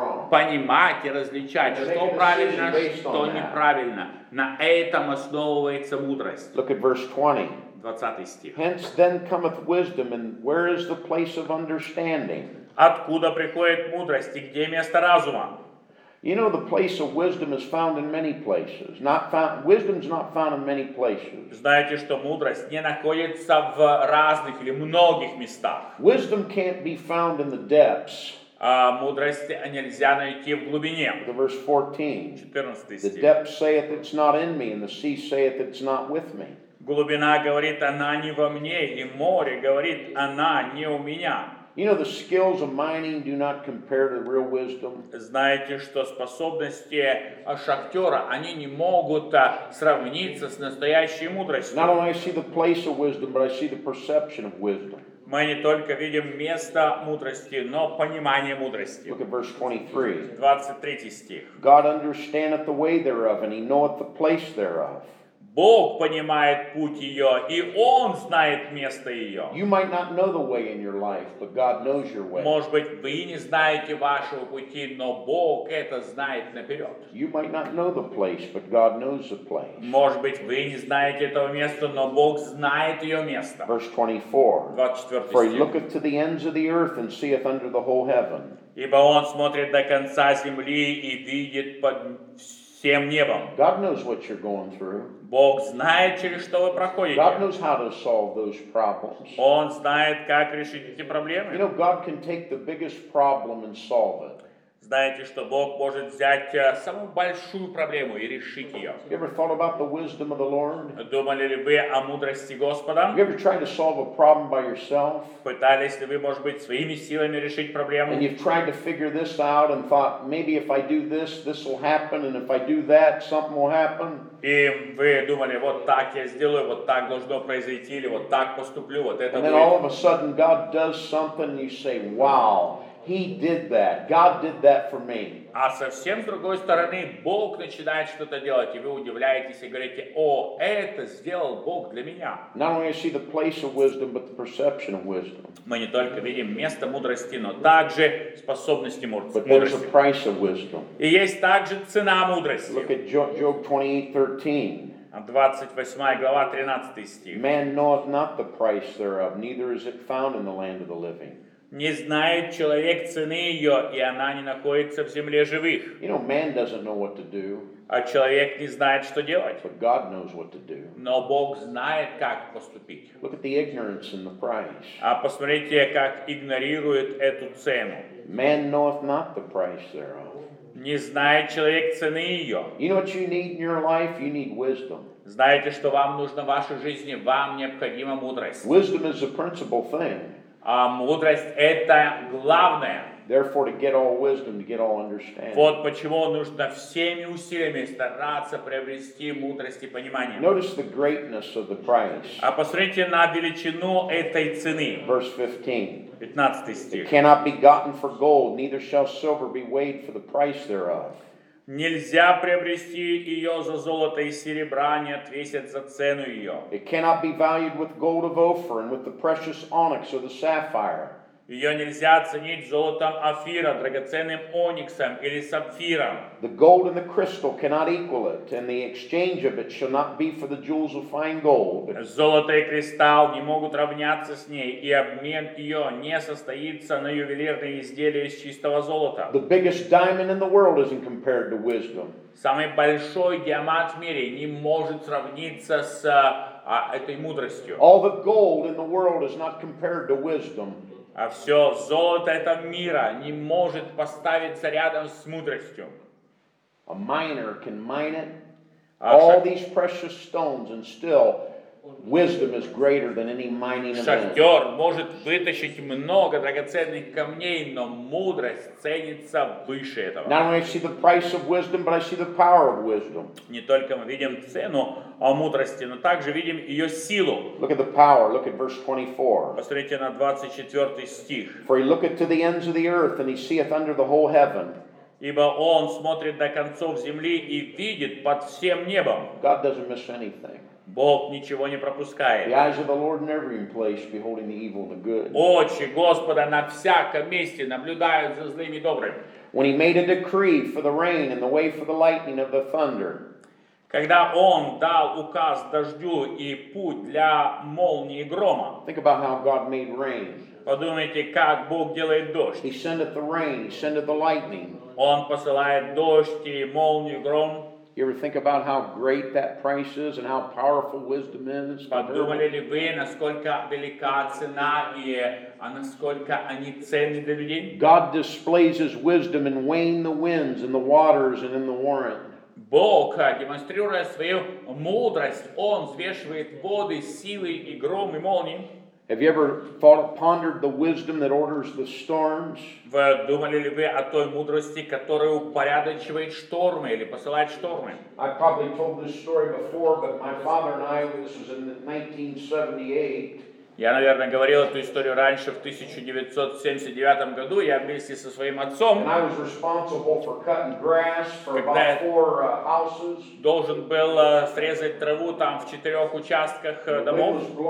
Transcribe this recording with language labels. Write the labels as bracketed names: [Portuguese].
[Russian] Понимать и различать, что правильно, что неправильно. На этом основывается мудрость. [English] Look at verse 20. [Russian] 20 стих. [English] Hence then cometh wisdom, and where is the place of understanding? [Russian] Откуда приходит мудрость и где место разума? [English] You know, the place of wisdom is found in many places. Wisdom's not found in many places. [Russian] Знаете, что мудрость не находится в разных или многих местах. [English] Wisdom can't be found in the depths. [Russian] Мудрость нельзя найти в глубине. [English] The verse 14. [Russian] 14 стих. [English] The depth saith it's not in me, and the sea saith it's not with me. [Russian] Глубина говорит, она не во мне, и море говорит, она не у меня. [English] You know, the skills of mining do not compare to real wisdom. [Russian] Знаете, что способности шахтера, они не могут сравниться с настоящей мудростью. [English] Not only I see the place of wisdom, but I see the perception of wisdom. [Russian] Мы не только видим место мудрости, но понимание мудрости. [English] Look at verse 23. [Russian] 23 стих. [English] God understandeth the way thereof, and he knoweth the place thereof. [Russian] Бог понимает путь ее, и Он знает место ее. [English] You might not know the way in your life, but God knows your way. [Russian] Может быть, вы не знаете вашего пути, но Бог это знает наперед. [English] You might not know the place, but God knows the place. [Russian] Может быть, вы не знаете этого места, но Бог знает ее место. [English] Verse 24. [Russian] 24 стих. [English] For he looketh to the ends of the earth and seeth under the whole heaven. [Russian] Ибо Он смотрит до конца земли и видит под всем небом. [English] God knows what you're going through. [Russian] Бог знает, через что вы проходите. [English] God knows how to solve those problems. [Russian] Он знает, как решить эти проблемы. [English] You know, God can take the biggest problem and solve it. [Russian] Знаете, что Бог может взять самую большую проблему и решить ее. [English] You ever thought about the wisdom of the Lord? [Russian] Думали ли вы о мудрости Господа? [English] You ever tried to solve a problem by yourself? [Russian] Пытались ли вы, может быть, своими силами решить проблему? [English] And you've tried to figure this out and thought, maybe if I do this, this will happen, and if I do that, something will happen. [Russian] И вы думали, вот так я сделаю, вот так должно произойти, или вот так поступлю, вот это будет. [English] And then all of a sudden God does something, and you say, wow. He did that. God did that for me. [Russian] А совсем с другой стороны, Бог начинает что-то делать, и вы удивляетесь и говорите: "О, это сделал Бог для меня." [English] Not only see the place of wisdom, but the perception of wisdom. [Russian] Мы не только видим место мудрости, но также способности мудрости. [English] But there's a price of wisdom. [Russian] И есть также цена мудрости. [English] Look at Job 28:13. [Russian] 28 глава, 13 стих. [English] Man knoweth not the price thereof, neither is it found in the land of the living. [Russian] Не знает человек цены ее, и она не находится в земле живых. [English] You know, man doesn't know what to do. [Russian] А человек не знает, что делать. [English] But God knows what to do. [Russian] Но Бог знает, как поступить. [English] Look at the ignorance in the price. [Russian] А посмотрите, как игнорирует эту цену. [English] Man knoweth not the price thereof. [Russian] Не знает человек цены ее. [English] You know what you need in your life? You need wisdom. [Russian] Знаете, что вам нужно в вашей жизни? Вам необходима мудрость. [English] Wisdom is the principal thing. [Russian] А мудрость — это главное. [English] Therefore, to get all wisdom, to get all understanding. [Russian] Вот почему нужно всеми усилиями стараться приобрести мудрость и понимание. [English] Notice the greatness of the price. [Russian] А посмотрите на величину этой цены. [English] Verse 15. [Russian] 15 стих. [English] It cannot be gotten for gold, neither shall silver be weighed for the price thereof. [Russian] Нельзя приобрести ее за золото, и серебра не отвесят за цену ее. [English] It cannot be valued with gold of Ophir and with the precious onyx or the sapphire. [Russian] Ее нельзя оценить золотом Офира, драгоценным ониксом или сапфиром. [English] The gold and the crystal cannot equal it, and the exchange of it shall not be for the jewels of fine gold. [Russian] Золото и кристалл не могут равняться с ней, и обмен ее не состоится на ювелирные изделия из чистого золота. [English] The biggest diamond in the world isn't compared to wisdom. [Russian] Самый большой диамант в мире не может сравниться с этой мудростью. [English] All the gold in the world is not compared to wisdom. [Russian] А все золото этого мира не может поставиться рядом с мудростью. [English] A miner can mine it, all these precious stones, and still wisdom is greater than any mining event. [Russian] Шахтер может вытащить много драгоценных камней, но мудрость ценится выше этого. [English] Not only see the price of wisdom, but I see the power of wisdom. [Russian] Не только мы видим цену о мудрости, но также видим ее силу. [English] Look at the power. Look at verse 24. [Russian] Посмотрите на 24 стих. [English] For he looketh to the ends of the earth, and he seeth under the whole heaven. [Russian] Ибо он смотрит до концов земли и видит под всем небом. [English] God doesn't miss anything. [Russian] Бог ничего не пропускает. [English] The eyes of the Lord in every place, beholding the evil and the good. [Russian] Очи Господа на всяком месте наблюдают за злым и добрым. [English] When he made a decree for the rain and the way for the lightning of the thunder. [Russian] Когда он дал указ дождю и путь для молнии и грома. [English] Think about how God made rain. [Russian] Подумайте, как Бог делает дождь. [English] He sendeth the rain, he sendeth the lightning. [Russian] Он посылает дождь и молнию и гром. [English] You ever think about how great that price is and how powerful wisdom is? [Russian] Подумали ли вы, насколько велика цена и насколько они ценны для людей? [English] God displays his wisdom in weighing the winds and the waters and in the warrant. [Russian] Бог, демонстрируя свою мудрость, он взвешивает воды, силы и гром и молнии. [English] Have you ever thought, pondered the wisdom that orders the storms? [Russian] Вы думали ли вы о той мудрости, которая упорядочивает штормы или посылает штормы? [English] I probably told this story before, but my father and I, this was in 1978. [Russian] Я, наверное, говорил эту историю раньше, в 1979 году, я вместе со своим отцом. [English] And I was responsible for cutting grass for about four houses. [Russian] Должен был срезать траву там в четырех участках домов.